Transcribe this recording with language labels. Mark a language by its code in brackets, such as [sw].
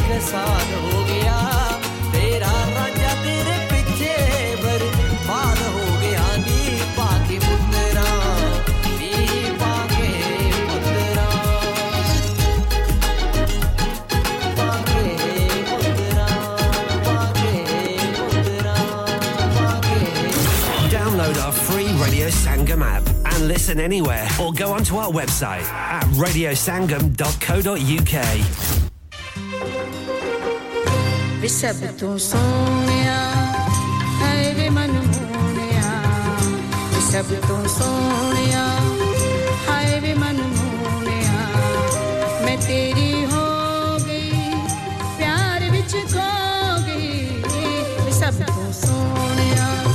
[pa] ਸਾਧ ਹੋ ਗਿਆ ਤੇਰਾ ਰਾਜਾ ਤੇਰੇ ਪਿੱਛੇ ਬਰਬਾਦ ਹੋ ਗਿਆ ਨੀ ਪਾ ਕੇ ਮੁੰਦਰਾ ਨੀ ਪਾ ਕੇ ਮੁੰਦਰਾ ਪਾ ਕੇ ਮੁੰਦਰਾ ਪਾ ਕੇ ਮੁੰਦਰਾ ਪਾ ਕੇ [en] Download our free radio Sangam app And listen anywhere or go onto our website at radiosangam.co.uk. [pa] ਸਭ ਤੋਂ ਸੋਹਣਿਆ ਹਰੇ ਮਨਮੋਹਣਿਆ ਸਭ ਤੋਂ ਸੋਹਣਿਆ ਹਰੇ ਮਨਮੋਹਣਿਆ ਮੈਂ ਤੇਰੀ ਹੋ ਗਈ ਪਿਆਰ ਵਿੱਚ ਖੋ ਗਈ ਸਭ ਤੋਂ ਸੋਹਣਿਆ